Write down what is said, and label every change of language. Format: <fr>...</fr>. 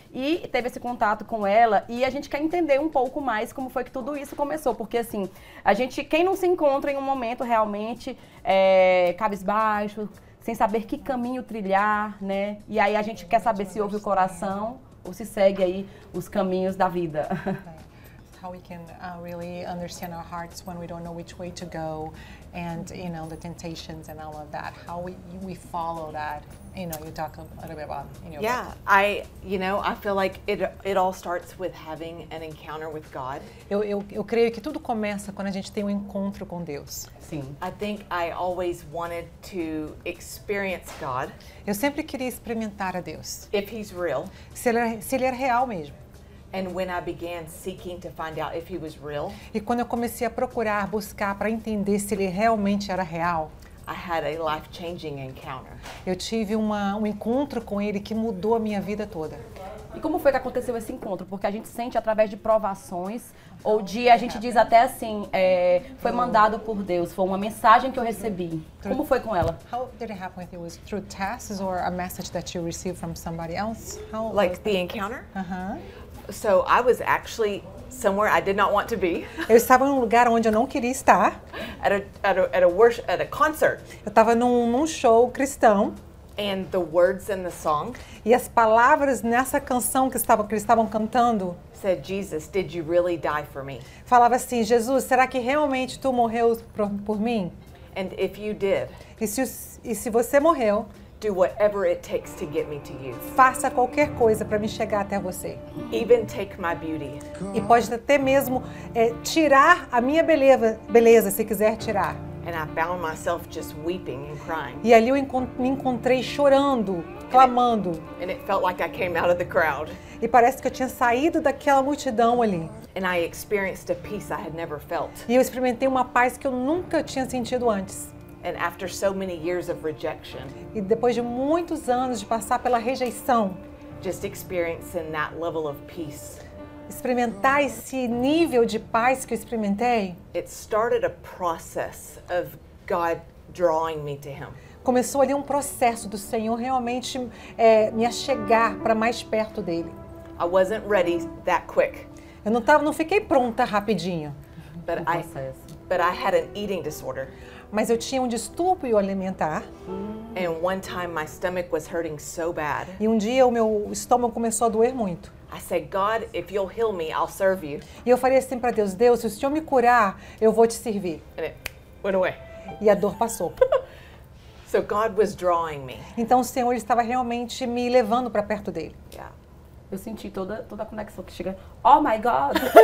<pt>E teve esse contato com ela, e a gente quer entender um pouco mais como foi que tudo isso começou. Porque, assim, a gente, quem não se encontra em um momento realmente cabisbaixo, sem saber que caminho trilhar, né? E aí a gente quer saber se ouve o coração ou se segue aí os caminhos da vida.</pt> <en>How we can really understand our hearts when we don't know which way to go, and you know the temptations and all of that. How we follow that? You know, you talk a little bit about. Yeah, I feel like it all starts with having an encounter with God.</en> <pt>Eu creio que tudo começa quando a gente tem um encontro com Deus. Sim.</pt> <en>I think I always wanted to experience God.</en> <pt>Eu sempre queria experimentar a Deus.</pt> <en>If He's real.</en> <pt>Se ele era real mesmo.</pt> <en>And when I began seeking to find out if he was real,</en> <pt>e quando eu comecei a procurar, buscar para entender se ele realmente era real,</pt> <en>I had a life-changing encounter.</en> <pt>Eu tive um encontro com ele que mudou a minha vida toda. E como foi que aconteceu esse encontro? Porque a gente sente através de provações, ou de, a gente diz até assim, foi mandado por Deus, foi uma mensagem que eu recebi. Como foi com ela?</pt> <en>How did it happen with you? Was it through tests or a message that you received from somebody else? How like the encounter? Uh-huh. So I was actually somewhere I did not want to be.</en> <pt>Eu estava em um lugar onde eu não queria estar.</pt> <en>At a concert.</en> <pt>Eu estava num show cristão.</pt> <en>And the words in the song.</en> <pt>E as palavras nessa canção que eles estavam cantando.</pt> <en>Said Jesus, did you really die for me?</en> <pt>Falava assim, Jesus, será que realmente tu morreu por mim?</pt> <en>And if you did.</en> <pt>E se você morreu.</pt> <en>Do whatever it takes to get me to you.</en> <pt>Faça qualquer coisa para me chegar até você.</pt> <en>Even take my beauty.</en> <pt>E pode até mesmo tirar a minha beleza, se quiser tirar.</pt> <en>And I found myself just weeping and crying.</en> <pt>E ali eu me encontrei chorando, clamando.</pt> <en>And it felt like I came out of the crowd.</en> <pt>E parece que eu tinha saído daquela multidão ali.</pt> <en>And I experienced a peace I had never felt.</en> <pt>E eu experimentei uma paz que eu nunca tinha sentido antes.</pt> <en>And after so many years of rejection,</en> <pt>e depois de muitos anos de passar pela rejeição,</pt> <en>just experiencing that level of peace,</en> <pt>experimentar esse nível de paz que eu experimentei,</pt> <en>it started a process of God drawing me to Him.</en> <pt>Começou ali um processo do Senhor realmente me achegar para mais perto dele.</pt> <en>I wasn't ready that quick.</en> <pt>Eu não fiquei pronta rapidinho.</pt> <en>But I had an eating disorder.</en> <pt>Mas eu tinha um distúrbio alimentar.</pt> <en>And one time my stomach was hurting so bad.</en> <pt>E um dia o meu estômago começou a doer muito.</pt> <en>I said, God, if you'll heal me, I'll serve you.</en> <pt>E eu falei assim para Deus, Deus, se o Senhor me curar, eu vou te servir.</pt> <en>And it went away.</en> <pt>E a dor passou.</pt> <en>So God was drawing me.</en> <pt>Então o Senhor estava realmente me levando para perto dele.</pt> <en>Yeah.</en> <pt>Eu senti toda a conexão que chega.</pt> <en>Oh my God!</en>